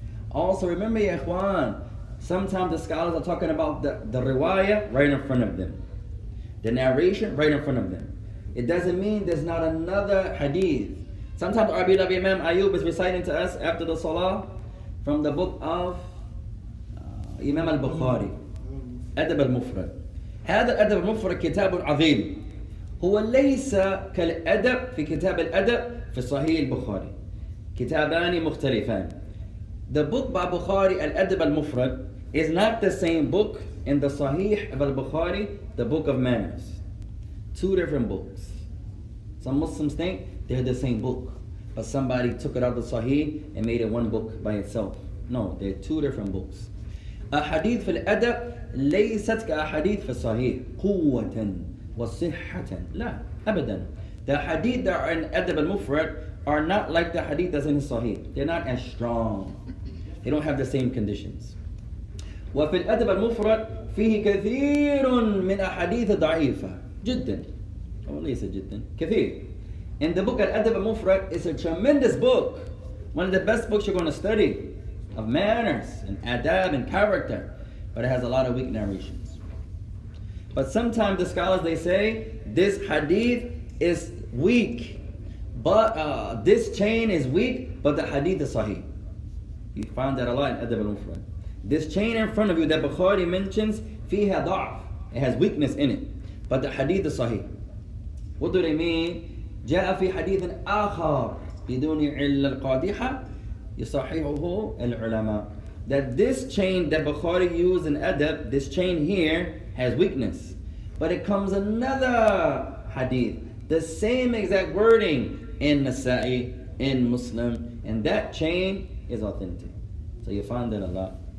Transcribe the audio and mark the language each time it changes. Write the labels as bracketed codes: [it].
[en] Also, remember, ya ikhwan, sometimes the scholars are talking about the riwayah right in front of them. The narration right in front of them. It doesn't mean there's not another hadith. Sometimes the RBW Imam Ayyub is reciting to us after the salah from the book of Imam al-Bukhari, Adab al-Mufrad. [ar] هذا الأدب المفرد كتاب عظيم. هو ليس كالأدب في كتاب الأدب في صحيح البخاري. كتابان مختلفان. [en] The book by Bukhari, Adab al-Mufrad, is not the same book in the Sahih of al-Bukhari, the book of manners. Two different books. Some Muslims think they're the same book, but somebody took it out of the Sahih and made it one book by itself. No, they're two different books. [ar] أحاديث في الأدب ليست كأحاديث في الصحيح قوة وصحة لا أبدا. [en] The hadith that are in Adab al-Mufrad are not like the hadith that's in الصحيح. They're not as strong. They don't have the same conditions. [ar] وفي الأدب المفرد فيه كثير من أحاديث ضعيفة جدا. أو ليس جدا كثير. [en] In the book Adab al-Mufrad is a tremendous book, One of the best books you're going to study of manners and adab and character, but it has a lot of weak narrations. But sometimes the scholars, they say, this hadith is weak, but this chain is weak, but the hadith is sahih. You find that a lot in Adab al-Mufrad. This chain in front of you that Bukhari mentions, [ar] فيها ضعف, [en] it has weakness in it, but the hadith is sahih. What do they mean? [ar] جاء في حديث آخر بدون علة القادحة يصححه العلماء. [en] That this chain that Bukhari used in Adab, this chain here, has weakness. But it comes another hadith, the same exact wording in Nasa'i, in Muslim, and that chain is authentic. So you find it a lot.